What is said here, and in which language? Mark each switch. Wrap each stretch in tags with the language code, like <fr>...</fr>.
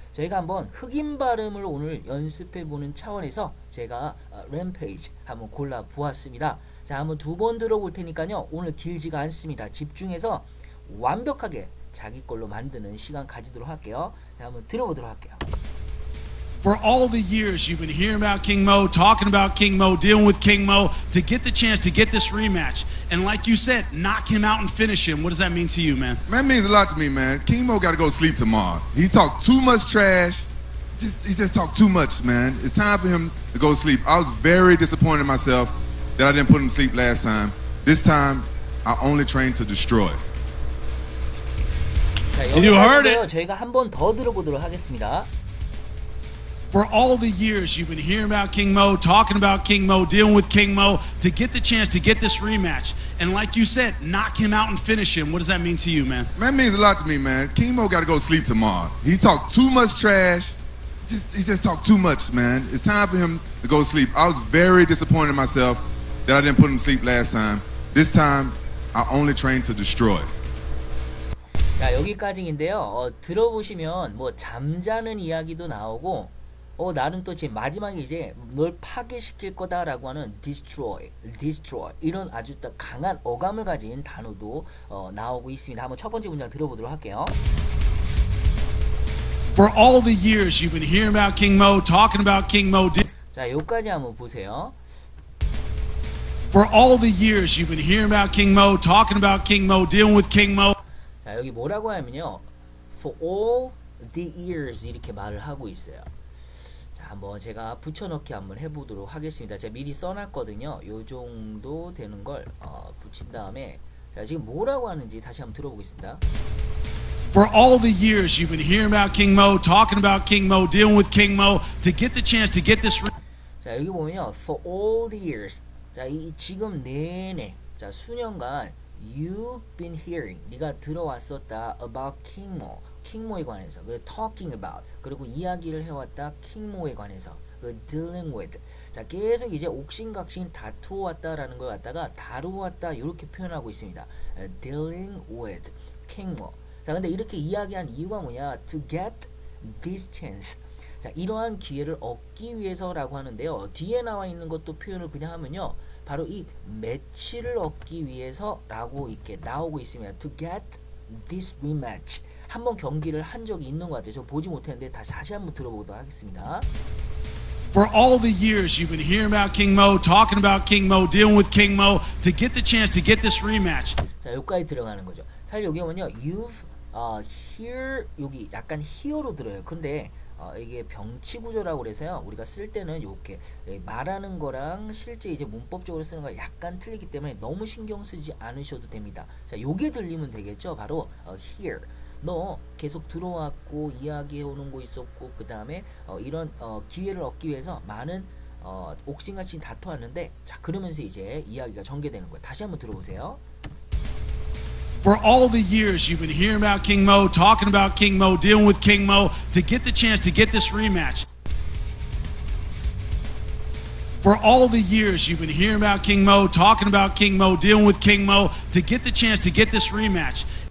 <ko>저희가 한번 흑인 발음을 오늘 연습해 보는 차원에서 제가 램페이지 한번 골라 보았습니다. 자, 한번 두번 들어볼 테니까요. 오늘 길지가 않습니다. 집중해서 완벽하게 자기 걸로 만드는 시간 가지도록 할게요. 자, 한번 들어보도록 할게요.</ko> <en>For all the years you've been hearing about King Mo, talking about King Mo, dealing with King Mo, to get the chance to get this rematch, and like you said, knock him out and finish him. What does that mean to you, man? Man, it means a lot to me, man. King Mo gotta go to sleep tomorrow. He talked too much trash. He just talked too much, man. It's time for him to go to sleep. I was very disappointed in myself that I didn't put him to sleep last time. This time, I only trained to destroy. You heard it. heard it.</en> <ko>저희가 한번더 들어보도록 하겠습니다.</ko> <en>For all the years you've been hearing about King Mo, talking about King Mo, dealing with King Mo, to get the chance to get this rematch, and like you said, knock him out and finish him. What does that mean to you, man? Man, it means a lot to me, man. King Mo gotta go to sleep tomorrow. He talked too much trash. He just talked too much, man. It's time for him to go to sleep. I was very disappointed in myself that I didn't put him to sleep last time. This time, I only trained to destroy.</en> <ko>자, 여기까지인데요. 들어보시면 뭐 잠자는 이야기도 나오고 나름 또제 마지막에 이제 널 파괴시킬 거다라고 하는 destroy 이런 아주 또 강한 어감을 가진 단어도 나오고 있습니다. 한번 첫 번째 문장 들어보도록 할게요.</ko> <en>For all the years you've been hearing about King Mo, talking about King Mo.</en> <ko>자, 여기까지 한번 보세요.</ko> <en>For all the years you've been hearing about King Mo, talking about King Mo, dealing with King Mo.</en> <ko>자, 여기 뭐라고 하냐면요,</ko> <en>for all the years</en> <ko>이렇게 말을 하고 있어요. 자, 한번 제가 붙여넣기 한번 해보도록 하겠습니다. 제가 미리 써놨거든요. 요 정도 되는 걸 붙인 다음에, 자, 지금 뭐라고 하는지 다시 한번 들어보겠습니다.</ko> <en>For all the years you've been hearing about King Mo, talking about King Mo, dealing with King Mo, to get the chance to get this.</en> <ko>자, 여기 보면요,</ko> <en>for all the years,</en> <ko>자, 이 지금 내내, 자, 수년간</ko> <en>You've been hearing,</en> <ko>네가 들어왔었다</ko> <en>about King Mo,</en> <ko>King Mo에 관해서, 그리고</ko> <en>talking about,</en> <ko>그리고 이야기를 해왔다 King Mo에 관해서, 그</ko> <en>dealing with,</en> <ko>자 계속 이제 옥신각신 다투어왔다라는 걸 갖다가 다루었다 이렇게 표현하고 있습니다.</ko> <en>Dealing with King Mo.</en> <ko>자 근데 이렇게 이야기한 이유가 뭐냐?</ko> <en>To get this chance.</en> <ko>자 이러한 기회를 얻기 위해서라고 하는데요. 뒤에 나와 있는 것도 표현을 그냥 하면요. 바로 이 매치를 얻기 위해서라고 이렇게 나오고 있습니다.</ko> <en>To get this rematch.</en> <ko>한번 경기를 한 적이 있는 것 같아요. 저 보지 못했는데 다시 한번 들어보도록 하겠습니다.</ko> <en>For all the years you've been hearing about King Mo, talking about King Mo, dealing with King Mo, to get the chance to get this rematch.</en> <ko>자, 여기까지 들어가는 거죠. 사실 여기 보면요.</ko> <en>You've here</en> <ko>여기 약간 here로 들어요. 근데 이게 병치 구조라고 그래서요. 우리가 쓸 때는 이렇게 말하는 거랑 실제 이제 문법적으로 쓰는 거 약간 틀리기 때문에 너무 신경 쓰지 않으셔도 됩니다. 자, 요게 들리면 되겠죠. 바로 here. 너 계속 들어왔고 이야기해 오는 거 있었고 그다음에 이런 기회를 얻기 위해서 많은 옥신각신 다투었는데 자, 그러면서 이제 이야기가 전개되는 거예요. 다시 한번 들어보세요.</ko> <en>For all the years you've been hearing about King Mo, talking about King Mo, dealing with King Mo, to get the chance to get this rematch. For all the years you've been hearing about King Mo, talking about King Mo, dealing with King Mo, to get the chance to get this rematch.</en>